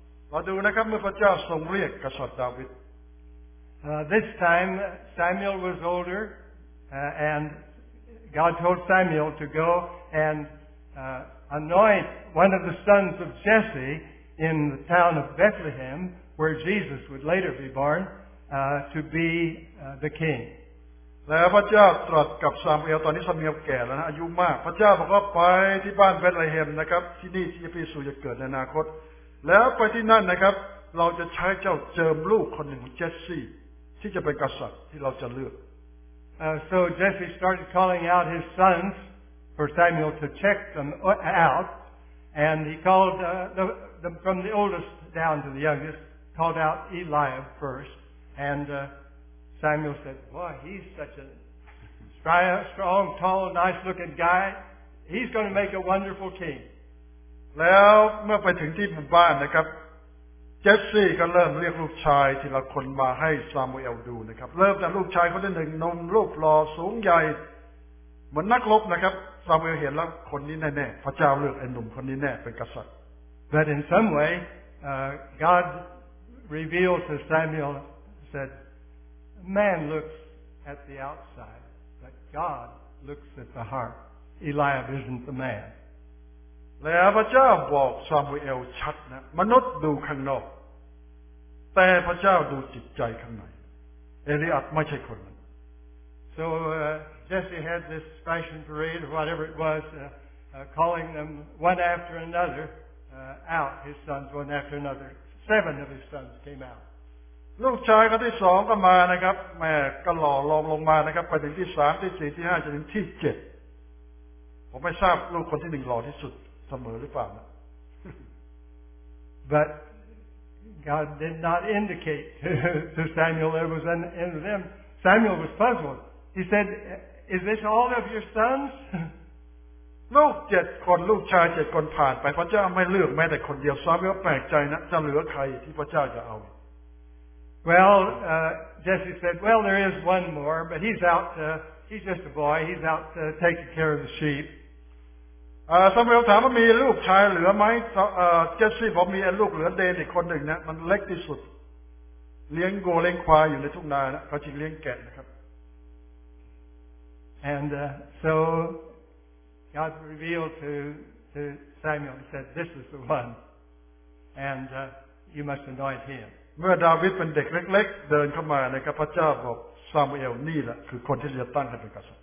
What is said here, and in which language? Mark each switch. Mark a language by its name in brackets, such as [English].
[Thai] เราดูนะครับเมื่อพระเจ้าทรงเรียกกษัตริย์ดาวิด [English] This time Samuel was older and God told Samuel to go and anoint one of the sons of Jesse in the town of Bethlehem where Jesus would later be born to be the king [Thai] แล้วพระเจ้าตรัสกับซามูเอลตอนนี้ซามูเอลแก่แล้วนะอายุมากพระเจ้าบอกว่าไปที่บ้านเบธเลเฮมนะครับที่นี่ที่พระเยซูจะเกิดในอนาคตแล้วไปที่นั่นนะครับเราจะใช้เจ้าเจิมลูกคนหนึ่งเจสซี่ที่จะเป็นกษัตริย์ที่เราจะเลือก [English] so Jesse started calling out his sons for Samuel to check them out and he called the from the oldest down to the youngest called out Eli first and Samuel said boy he's such a strong tall nice looking guy he's going to make a wonderful king [Thai] แล้วเมื่อไปถึงที่หมู่บ้านนะครับเจสซี่ก็เริ่มเรียกลูกชายทีละคนมาให้ซามูเอลดูนะครับเริ่มจากลูกชายคนหนึ่งนมรูปหล่อสูงใหญ่เหมือนนักรบนะครับซามูเอลเห็นแล้วคนนี้แน่ๆพระเจ้าเลือกไอ้หนุ่มคนนี้แน่เป็นกษัตริย์ [English] But in some way God revealed to Samuel said man looks at the outside but God looks at the heart Eliab isn't the man [Thai] แล้วพระเจ้าบอกซามูเอลชัดนะมนุษย์ดูข้างนอกแต่พระเจ้าดูจิตใจข้างในเอลีอาห์ไม่ใช่คนนั้น [English] So Jesse had this fashion parade or whatever it was calling them one after another out his sons one after another seven of his sons came out [Thai] ลูกชายคนที่สองก็มานะครับแม่ก็หล่อรองลงมานะครับไปถึงที่สามที่สี่ที่ห้าจนถึงที่เจ็ดผมไม่ทราบลูกคนที่หนึ่งหล่อที่สุดเสมอหรือเปล่านะ [English] But God did not indicate to Samuel there was an end of them. Samuel was puzzled. He said, "Is this all of your sons?" [Thai] ลูกเจ็ดคนลูกชายเจ็ดคนผ่านไปพระเจ้าไม่เลือกแม้แต่คนเดียวซามูเอลแปลกใจนะจะเหลือใครที่พระเจ้าจะเอา [English] Well, Jesse said, "Well, there is one more, but he's out. He's just a boy. He's out taking care of the sheep." [Thai] ซามูเอลถามว่ามีลูกชายเหลือไหมเจสซี่บอกมีลูกเหลือเดนอีกคนหนึ่งนะมันเล็กที่สุดเลี้ยงโกเล้งควายอยู่ในทุ่งนานะเขาจึงเลี้ยงแกะนะครับ [English] And so God revealed to to Samuel and said, "This is the one, and you must anoint him." [Thai] เมื่อดาวิดเป็นเด็กเล็กๆเดินเข้ามาในพระเจ้าบอกซามูเอลนี่แหละคือคนที่จะตั้งให้เป็นกษัตริย